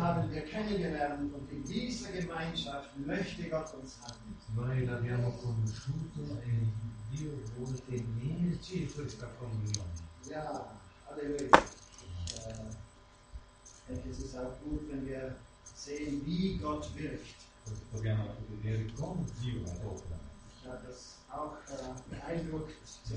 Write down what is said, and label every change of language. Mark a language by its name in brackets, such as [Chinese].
[German] haben wir kennengelernt und in dieser Gemeinschaft möchte Gott uns haben. [Italian] Noi l'abbiamo conosciuto e Dio vuole tenerci in questa comunione. [German] Ja, alleluia. Es ist auch gut, wenn wir sehen, wie Gott wirkt. [Italian] Dobbiamo vedere come Dio opera. [German] Ich habe das auch beeindruckt zu